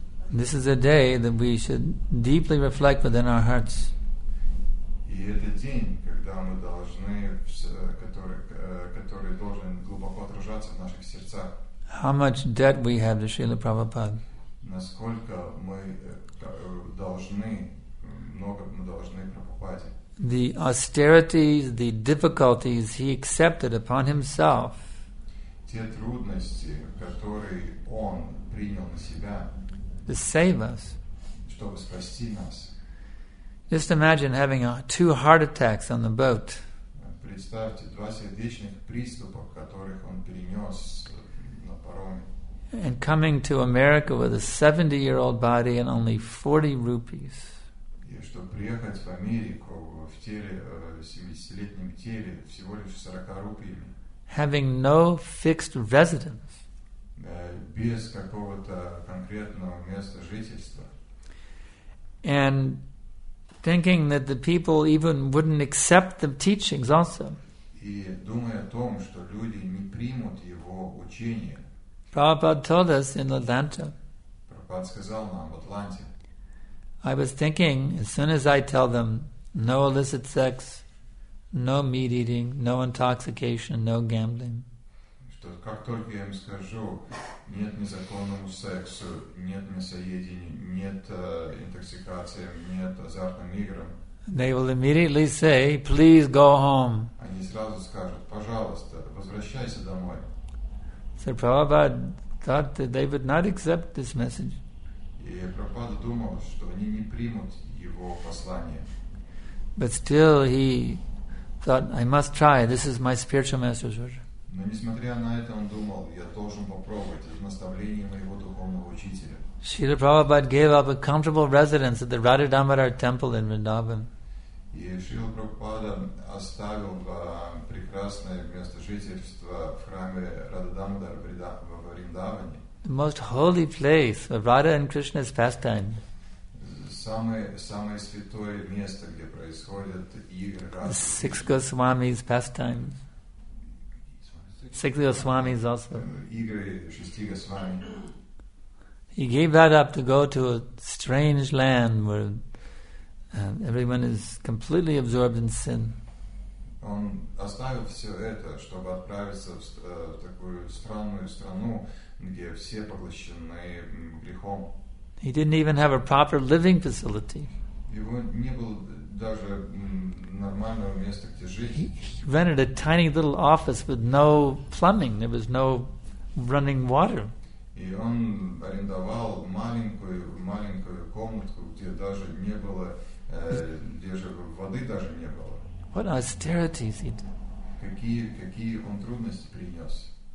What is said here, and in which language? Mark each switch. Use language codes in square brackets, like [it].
[en] This is a day that we should deeply reflect within our hearts. [ru] И это день, когда мы должны, который должен глубоко отражаться в наших сердцах. [en] How much debt we have to Srila Prabhupada. [ru] Насколько мы должны, много мы должны Прабхупаде. [en] The austerities, the difficulties he accepted upon himself. [ru] Те трудности, которые он принял на себя, [en] to save us. [ru] Чтобы спасти нас. [en] Just imagine having two heart attacks on the boat. [ru] Представьте два сердечных приступа, которых он перенес на пароме. [en] And coming to America with a 70-year-old body and only 40 rupees. [ru] И чтобы приехать в Америку в теле, 70-летнем теле, всего лишь 40 рупиями. [en] Having no fixed residence. [ru] Без какого-то конкретного места жительства. [en] And thinking that the people even wouldn't accept the teachings also. [ru] и думая о том, что люди не примут его учение. [en] Prabhupada told us in Atlanta. [ru] Prabhupada сказал нам в Атланте. [en] I was thinking, as soon as I tell them no illicit sex, no meat eating, no intoxication, no gambling. [ru] Что как только я им скажу, нет незаконному сексу, нет мясоедению, нет интоксикации, нет азартным играм. [en] They will immediately say, "Please go home." [ru] Они сразу скажут, пожалуйста, возвращайся домой. [en] So Prabhupada thought that they would not accept this message. [ru] И Прабхупада думал, что они не примут его послание. [en] But still he thought, I must try, this is my spiritual master, Jorge. [ru] Но несмотря на это, он думал, я должен попробовать, это наставление моего духовного учителя. [en] Srila Prabhupada gave up a comfortable residence at the Radha-Damodar temple in Vrindavan. [ru] И Srila Prabhupada оставил прекрасное место жительства в храме Радха-Дамодар в Вриндаване. [en] The most holy place of Radha and Krishna's pastime. [ru] Самое святое место, где происходят игры Радха. [en] Six Goswami's pastime. Six Goswami's also. [ru] Игры шести Госвами. [en] He gave that up to go to a strange land where everyone is completely absorbed in sin. [ru] Он оставил все это, чтобы отправиться в такую странную страну, где все поглощены грехом. [en] He didn't even have a proper living facility. [ru] Его не было даже нормального места, где жить. [en] He rented a tiny little office with no plumbing. There was no running water. [ru] И он арендовал маленькую комнатку, где даже не было, где же воды даже не было. [en] What austerities he did. [ru] Какие он трудности принес.